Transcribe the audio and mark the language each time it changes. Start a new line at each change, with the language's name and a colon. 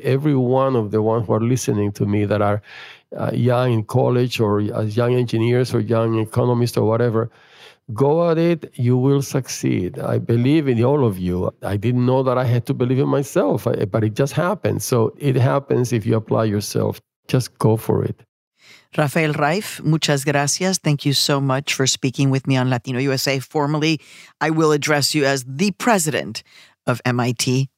English: Every one of the ones who are listening to me that are young in college or as young engineers or young economists or whatever, go at it, you will succeed. I believe in all of you. I didn't know that I had to believe in myself, but it just happens. So it happens if you apply yourself. Just go for it.
Spanish: Rafael Reif, muchas gracias.
English: Thank you so much for speaking with me on Latino USA. Formally, I will address you as the president of MIT.